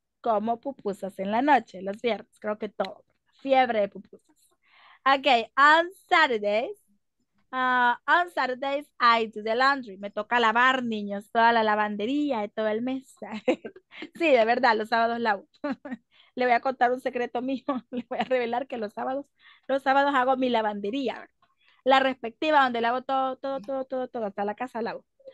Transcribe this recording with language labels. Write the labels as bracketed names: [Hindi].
[Spanish] Como pupusas en la noche, los viernes, creo que todo. Fiebre de pupusas. [English] Okay, on Saturdays, on Saturdays, I do the laundry. [Spanish] Me toca lavar, niños, toda la lavandería de todo el mes. Sí, de verdad, los sábados lavo. Le voy a contar un secreto mío. Le voy a revelar que los sábados hago mi lavandería. La respectiva, donde lavo todo, hasta la casa lavo.